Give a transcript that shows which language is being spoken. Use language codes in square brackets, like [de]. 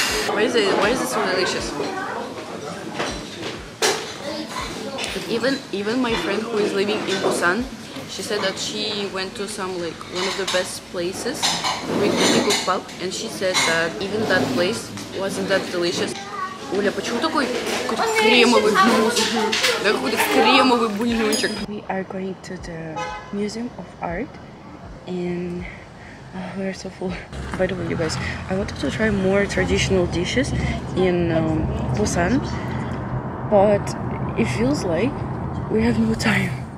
[en] Why is it so delicious? even my friend who is living in Busan, she said that she went to some like one of the best places with kimbap, and she said that even that place wasn't that delicious. [ru] Уля, почему такой какой-то кремовый бульончик? [en] We are going to the Museum of Art and we are so full. By the way, you guys, I wanted to try more traditional dishes in Busan, but it feels like we have no time.